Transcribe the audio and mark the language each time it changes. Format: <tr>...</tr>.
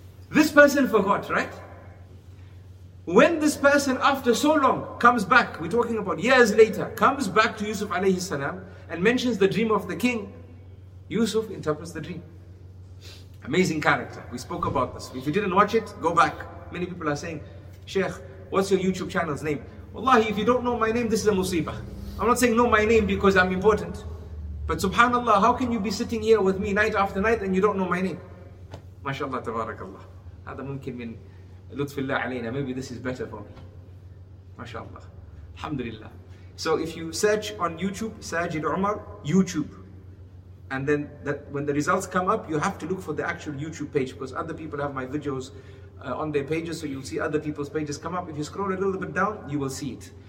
<en>This person forgot, right? When this person, after so long, comes back, we're talking about years later, comes back to Yusuf alayhi salam and mentions the dream of the king, Yusuf interprets the dream. Amazing character. We spoke about this. If you didn't watch it, go back. Many people are saying, Sheikh, what's your YouTube channel's name? Wallahi, if you don't know my name, this is a musibah. I'm not saying know my name because I'm important. But subhanallah, how can you be sitting here with me night after night and you don't know my name? MashaAllah, tabarakallah.</en> <ar>هذا ممكن من لطف الله علينا.</ar> <en>Maybe this is better for me. MashaAllah. Alhamdulillah. So if you search on YouTube, Sajid Umar, YouTube. And then that when the results come up, you have to look for the actual YouTube page because other people have my videos on their pages. So you'll see other people's pages come up. If you scroll a little bit down, you will see it.</en>